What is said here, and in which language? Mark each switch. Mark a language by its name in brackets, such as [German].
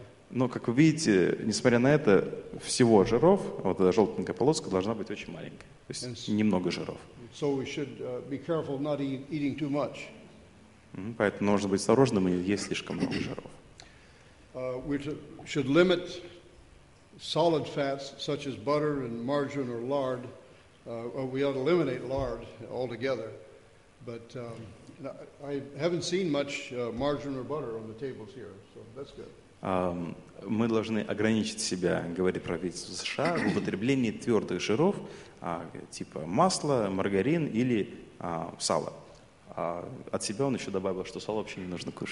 [Russian] Но, как вы видите, несмотря на это, всего жиров, вот эта желтенькая полоска должна быть очень маленькая, то есть немного жиров. [English] So we should be careful not eating too much. [Russian] Поэтому нужно быть осторожным и не есть слишком много жиров. [English] We should limit solid fats, such as butter and margarine or lard. We ought to eliminate lard altogether. But I haven't seen much margarine or butter on the tables here, so that's good. [Russian] Мы должны ограничить себя, говорит правительство США, в употреблении твердых жиров, типа масла, маргарин или сала. От себя он еще добавил, что сало вообще не нужно